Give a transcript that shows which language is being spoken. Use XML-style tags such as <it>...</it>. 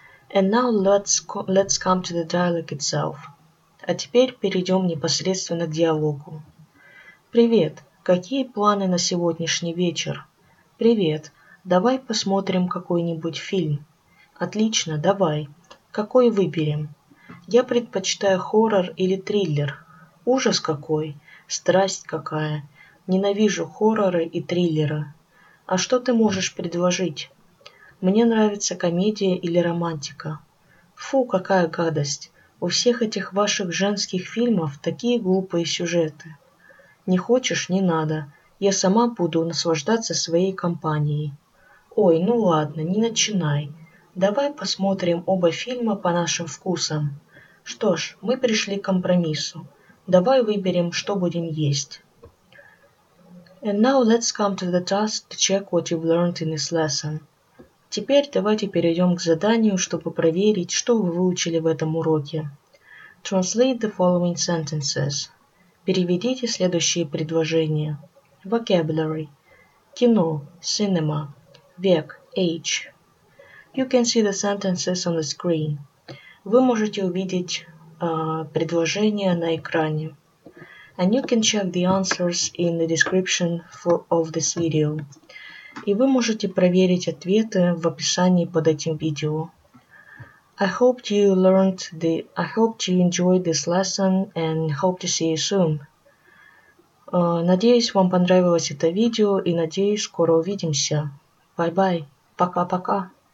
<en>And now let's come to the dialogue itself.</en> <ru>А теперь перейдем непосредственно к диалогу. Привет, какие планы на сегодняшний вечер? Привет, давай посмотрим какой-нибудь фильм. Отлично, давай. Какой выберем? Я предпочитаю хоррор или триллер. Ужас какой! Страсть какая! Ненавижу хорроры и триллеры. А что ты можешь предложить? Мне нравится комедия или романтика. Фу, какая гадость! У всех этих ваших женских фильмов такие глупые сюжеты. Не хочешь – не надо. Я сама буду наслаждаться своей компанией. Ой, ну ладно, не начинай. Давай посмотрим оба фильма по нашим вкусам. Что ж, мы пришли к компромиссу. Давай выберем, что будем есть.</ru> <en>And now let's come to the task to check what you've learned in this lesson.</en> <ru>Теперь давайте перейдем к заданию, чтобы проверить, что вы выучили в этом уроке.</ru> <en>Translate the following sentences.</en> <ru>Переведите следующие предложения.</ru> <en>Vocabulary. Кино. Cinema. Век. Age. You can see the sentences on the screen.</en> <ru>Вы можете увидеть предложения на экране.</ru> <en>And you can check the answers in the description of this video.</en> <ru>И вы можете проверить ответы в описании под этим видео.</ru> <en>I hope you enjoyed this lesson and hope to see you soon.</en> <ru>Надеюсь, вам понравилось это видео и надеюсь, скоро увидимся.</ru> <en>Bye-bye.</en> <ru>Пока-пока.</ru>